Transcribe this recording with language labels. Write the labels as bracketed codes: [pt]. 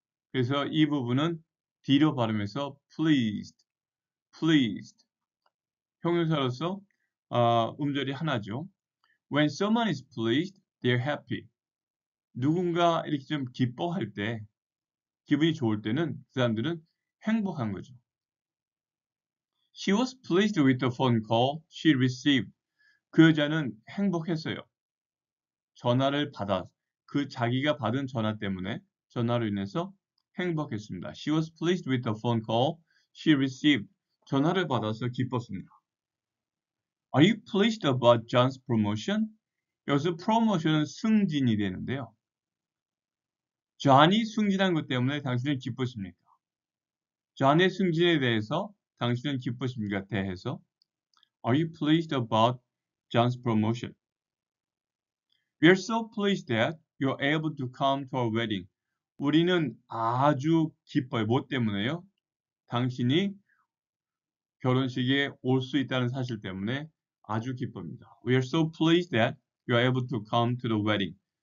[ko] 그래서 이 부분은 D로 발음해서 pleased, pleased. 형용사로서 음절이 하나죠. [en] When someone is pleased, they're happy. [ko] 누군가 이렇게 좀 기뻐할 때, 기분이 좋을 때는 그 사람들은 행복한 거죠. [en] She was pleased with the phone call she received. [ko] 그 여자는 행복했어요. 전화를 받아, 그 자기가 받은 전화 때문에 전화로 인해서 행복했습니다. [en] She was pleased with the phone call she received. [ko] 전화를 받아서 기뻤습니다. [en] Are you pleased about John's promotion? [ko] 여기서 promotion은 승진이 되는데요. John이 승진한 것 때문에 당신은 기쁘십니까? John의 승진에 대해서 당신은 기쁘십니까? 대해서 [en] Are you pleased about John's promotion? We are so pleased that you are able to come to our wedding. [ko] 우리는 아주 기뻐요. 뭐 때문에요? 당신이 결혼식에 올 수 있다는 사실 때문에 아주 기쁩니다. [en] We are so pleased that you are able to come to the wedding.